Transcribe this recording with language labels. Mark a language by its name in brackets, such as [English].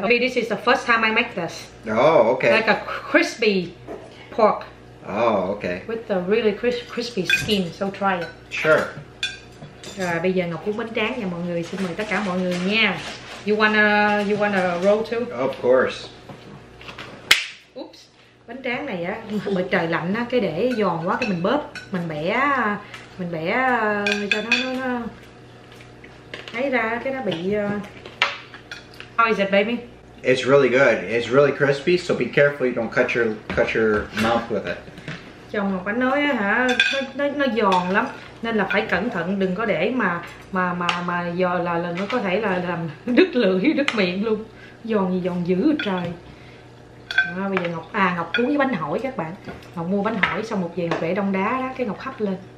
[English] Okay, this is the first time I make this. Oh, okay. Like a crispy pork. Oh, okay. With the really crispy skin, so try it. Sure. [Vietnamese] Rồi bây giờ Ngọc cũng bánh tráng nha mọi người. Xin mời tất cả mọi người nha. [English] You wanna roll too? Of course. Oops. [Vietnamese] Bánh tráng này á, bởi trời lạnh á, cái để giòn quá cái mình bóp, mình bẻ cho nó thấy ra cái nó bị [English] How is it, baby? It's really good. It's really crispy, so be careful you don't cut your mouth with it. [Vietnamese] Chồng Ngọc anh nói á hả, nó giòn lắm. Nên là phải cẩn thận, đừng có để mà giò là nó có thể là làm đứt lưỡi, đứt miệng luôn. Giòn gì giòn dữ trời. Đó, bây giờ Ngọc, Ngọc cuốn với bánh hỏi các bạn. Ngọc mua bánh hỏi xong một về Ngọc vẽ đông đá đó, cái Ngọc hấp lên.